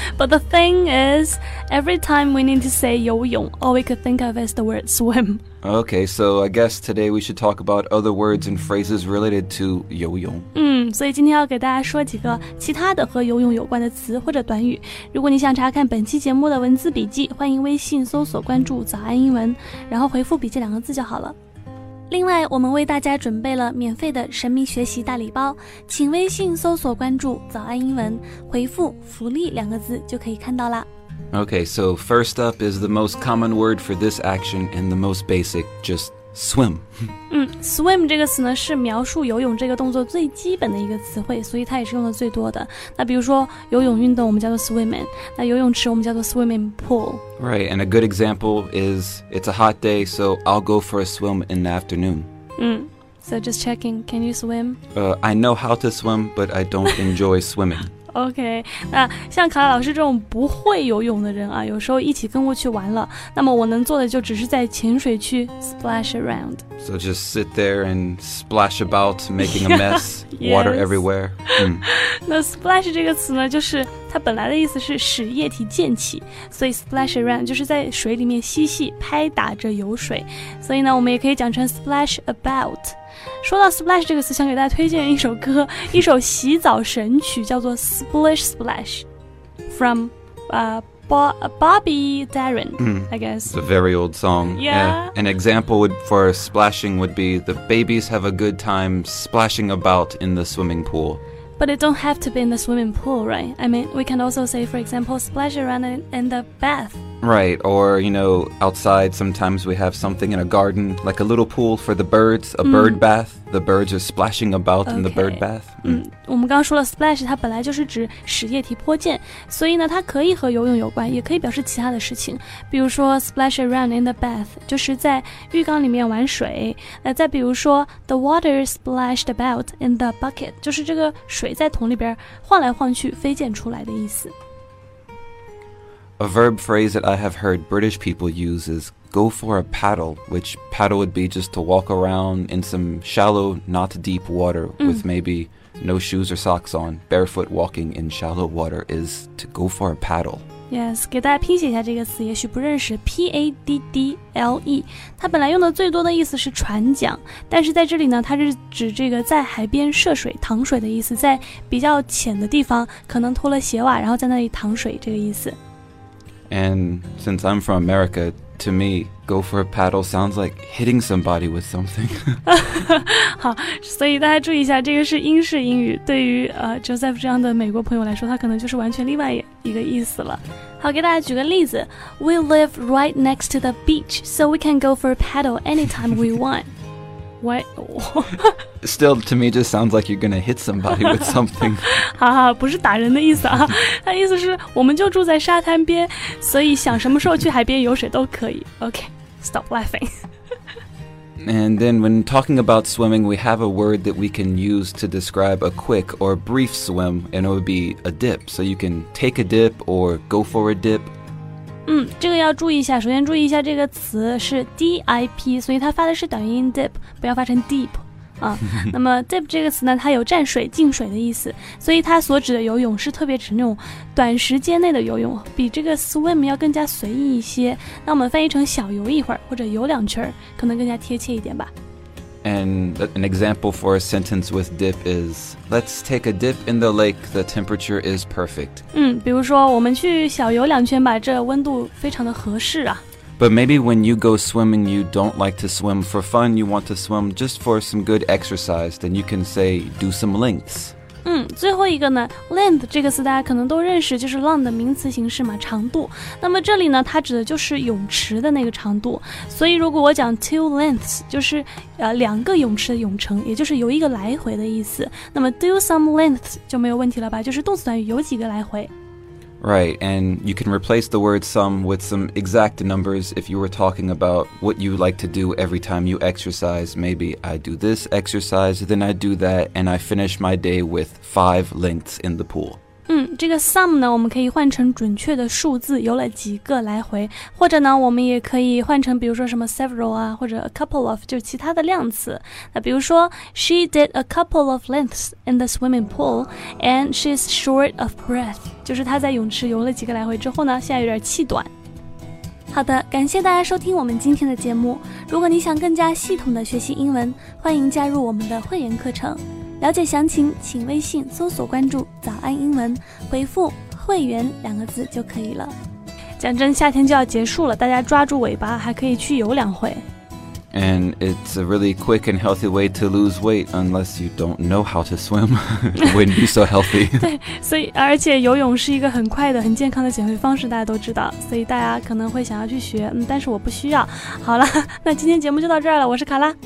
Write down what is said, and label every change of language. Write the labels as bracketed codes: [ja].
[en] But the thing is, every time we need to say 游泳, all we could think of is the word swim. Okay, so I guess today we should talk about other words and phrases related to 游泳。 [zh] 所以今天要给大家说几个其他的和游泳有关的词或者短语。如果你想查看本期节目的文字笔记，欢迎微信搜索关注早安英文，然后回复笔记两个字就好了。另外，我们为大家准备了免费的神秘学习大礼包，请微信搜索关注早安英文，回复福利两个字就可以看到啦。 [en] Okay, so first up is the most common word for this action and the most basic, just swim. [zh] Swim 这个词呢是描述游泳这个动作最基本的一个词汇，所以它也是用的最多的。那比如说游泳运动我们叫做 swimming, 那游泳池我们叫做 swimming pool. [en] Right, and a good example is it's a hot day, so I'll go for a swim in the afternoon. So just checking, can you swim? I know how to swim, but I don't enjoy swimming. [zh] OK, 那像卡拉老师这种不会游泳的人啊，有时候一起跟过去玩了，那么我能做的就只是在潜水区 splash around. [en] So just sit there and splash about, making a mess, water everywhere. [zh] 那 splash 这个词呢，就是它本来的意思是使液体溅起，所以 splash around 就是在水里面嬉戏，拍打着游水，所以呢，我们也可以讲成 splash about。说到 splash 这个词，想给大家推荐一首歌，一首洗澡神曲，叫做 Splish Splash [en] from Bobby Darin, I guess. It's a very old song. Yeah. An example for splashing would be the babies have a good time splashing about in the swimming pool. But it don't have to be in the swimming pool, right? I mean, we can also say, for example, splash around in the bath. Right, or, you know, outside sometimes we have something in a garden, like a little pool for the birds, a bird bath. The birds are splashing about in the bird bath. [zh] 我们刚刚说了 splash, 它本来就是指使液体泼溅，所以呢，它可以和游泳有关，也可以表示其他的事情。比如说 [en] splash around in the bath, [zh] 就是在浴缸里面玩水。那再比如说 [en] the water splashed about in the bucket, [zh] 就是这个水在桶里边晃来晃去飞溅出来的意思。 [en] A verb phrase that I have heard British people use is go for a paddle, which paddle would be just to walk around in some shallow, not deep water with maybe no shoes or socks on. Barefoot walking in shallow water is to go for a paddle. [zh] Yes, 给大家拼写一下这个词，也许不认识 paddle. 它本来用的最多的意思是船桨，但是在这里呢，它是指这个在海边涉水、淌水的意思，在比较浅的地方，可能脱了鞋袜，然后在那里淌水这个意思。 [en] And since I'm from America, to me, go for a paddle sounds like hitting somebody with something. [zh] 好，所以大家注意一下，这个是英式英语。对于Joseph 这样的美国朋友来说，它可能就是完全另外一个意思了。好，给大家举个例子。 [en] We live right next to the beach, so we can go for a paddle anytime we want. What? Still, to me, just sounds like you're going to hit somebody with something. [zh] 好，不是打人的意思啊。他意思是我们就住在沙滩边，所以想什么时候去海边游水都可以。 [en] Okay, stop laughing. And then when talking about swimming, we have a word that we can use to describe a quick or brief swim, and it would be a dip. So you can take a dip or go for a dip. [zh] 这个要注意一下，首先注意一下这个词是 DIP, 所以它发的是短音 dip, 不要发成 deep, 啊。那么 dip 这个词呢，它有沾水、浸水的意思，所以它所指的游泳是特别指那种短时间内的游泳，比这个 swim 要更加随意一些。那我们翻译成小游一会儿或者游两圈，可能更加贴切一点吧。 [en] And an example for a sentence with dip is, let's take a dip in the lake, the temperature is perfect. [zh] 比如说我们去小游两圈吧，这温度非常的合适啊。 [en] But maybe when you go swimming, you don't like to swim for fun, you want to swim just for some good exercise, then you can say, do some lengths. [zh] 最后一个呢 length 这个词大家可能都认识，就是浪的名词形式嘛，长度。那么这里呢，它指的就是泳池的那个长度，所以如果我讲 two lengths 就是两个泳池的泳程，也就是游一个来回的意思，那么 do some lengths 就没有问题了吧，就是动词短语游几个来回。 [en] Right, and you can replace the word some with some exact numbers if you were talking about what you like to do every time you exercise. Maybe I do this exercise, then I do that, and I finish my day with five lengths in the pool. [zh] 这个 sum 呢我们可以换成准确的数字有了几个来回，或者呢我们也可以换成比如说什么 several 啊，或者 a couple of， 就其他的量词。那比如说 [en] She did a couple of lengths in the swimming pool and she's short of breath， [zh] 就是她在泳池游了几个来回之后呢现在有点气短。好的，感谢大家收听我们今天的节目。如果你想更加系统的学习英文，欢迎加入我们的会员课程。了解详情请微信搜索关注早安英文，回复会员两个字就可以了。讲真，夏天就要结束了，大家抓住尾巴还可以去游两回。 [en] And it's a really quick and healthy way to lose weight unless you don't know how to swim. Wouldn't be so healthy. [zh] 对，所以而且游泳是一个很快的很健康的减肥方式，大家都知道，所以大家可能会想要去学，但是我不需要。好了，那今天节目就到这儿了，我是卡拉。